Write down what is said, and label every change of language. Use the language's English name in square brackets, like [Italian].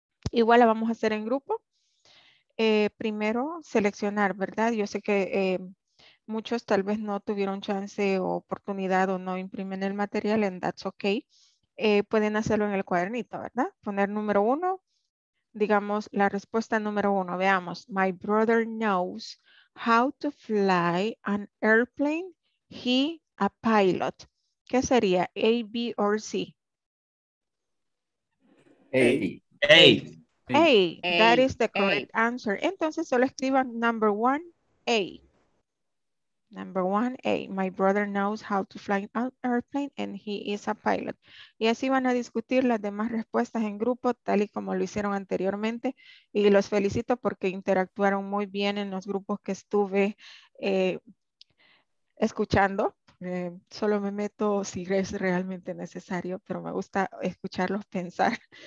[Spanish] Igual la vamos a hacer en grupo. Primero seleccionar, ¿verdad? Yo sé que muchos tal vez no tuvieron chance o oportunidad o no imprimen el material, [English] and that's okay. [Spanish] Pueden hacerlo en el cuadernito, ¿verdad? Poner número uno, digamos la respuesta número uno. Veamos, [English] my brother knows how to fly an airplane. He a pilot. [Spanish] ¿Qué sería? [English] A, B or C? A. A. A. A. That is the correct A. answer. [Spanish] Entonces solo escriban [English] number one, A. Number one, A. My brother knows how to fly an airplane and he is a pilot. [Spanish] Y así van a discutir las demás respuestas en grupo, tal y como lo hicieron anteriormente. Y los felicito porque interactuaron muy bien en los grupos que estuve escuchando. Solo me meto si es realmente necesario, pero me gusta escucharlos pensar.